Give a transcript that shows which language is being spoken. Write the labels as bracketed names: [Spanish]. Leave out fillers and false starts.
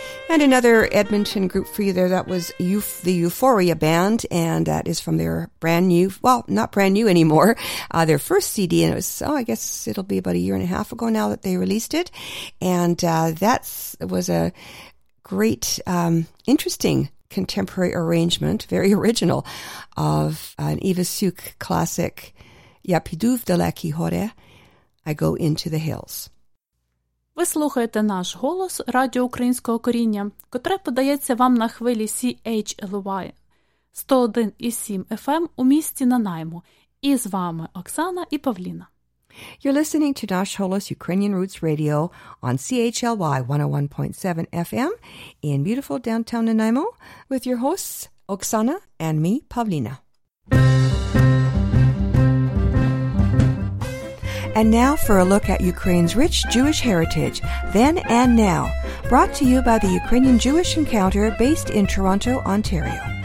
[English] And another Edmonton group for you there, that was the Euphoria Band, and that is from their brand new, well, not brand new anymore, their first CD, and it was, oh, I guess it'll be about a year and a half ago now that they released it, and that was a great, interesting contemporary arrangement, very original, of an Eva Suk classic, Yapiduv Daleki Hore, I Go Into the Hills. [Ukrainian] Ви слухаєте наш голос Радіо Українського коріння, котре подається вам на хвилі CHLY 101.7 FM у місті Нанаймо. І з вами Оксана і Павліна. [English] You're listening to Dash Holos Ukrainian Roots Radio on CHLY 101.7 FM in beautiful downtown Nanaimo with your hosts Oksana and me, Pavlina. And now for a look at Ukraine's rich Jewish heritage, then and now, brought to you by the Ukrainian Jewish Encounter based in Toronto, Ontario.